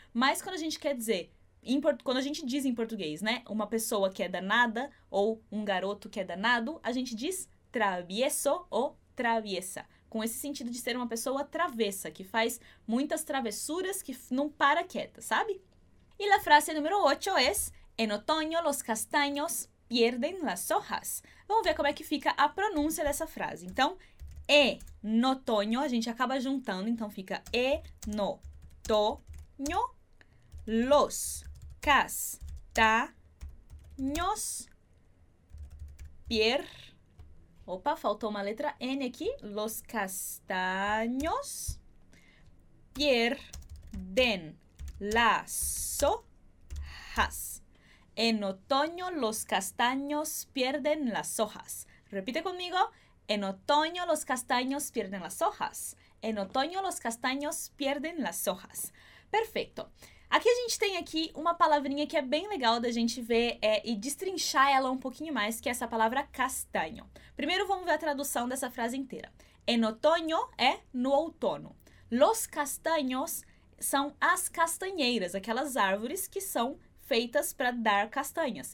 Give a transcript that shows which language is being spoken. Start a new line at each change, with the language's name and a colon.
Portuguese: Mas quando a gente quer dizer, quando a gente diz em português, né, uma pessoa que é danada ou um garoto que é danado, a gente diz travieso ou traviesa, com esse sentido de ser uma pessoa travessa, que faz muitas travessuras, que não para quieta, sabe? E a frase número 8 é:
Spanish: en otoño los castaños pierden las hojas.
Portuguese: Vamos ver como é que fica a pronúncia dessa frase. Então, e no toño, a gente acaba juntando, então fica e no toño, los castaños pier. Opa, faltou uma letra N aqui.
Spanish: Los castaños pierden las hojas. En otoño, los castaños pierden las hojas. Repite conmigo. En otoño, los castaños pierden las hojas. En otoño, los castaños pierden las hojas.
Portuguese: Perfeito. Aqui a gente tem aqui uma palavrinha que é bem legal da gente ver e destrinchar ela um pouquinho mais, que é essa palavra castanho. Primeiro, vamos ver a tradução dessa frase inteira.
Spanish: En otoño
Portuguese: é no outono. Los castaños são as castanheiras, aquelas árvores que são feitas para dar castanhas.